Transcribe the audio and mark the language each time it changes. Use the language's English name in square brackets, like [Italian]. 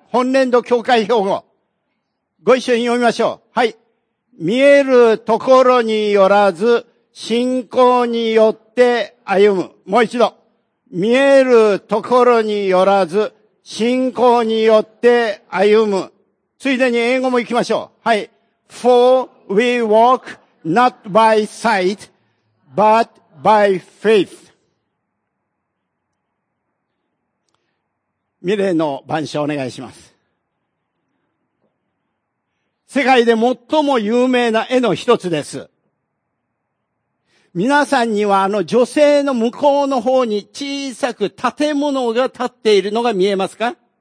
[Japanese] 本年度教会標語、ご一緒に読みましょう。はい。見えるところによらず信仰によって歩む。もう一度。見えるところによらず信仰によって歩む。ついでに英語も行きましょう。はい。 [English] For we walk not by sight, but by faith。 [Japanese] ミレーの晩鐘お願いします。世界で最も有名な絵の一つです。皆さんにはあの女性の向こうの方に小さく建物が立っているのが見えますか？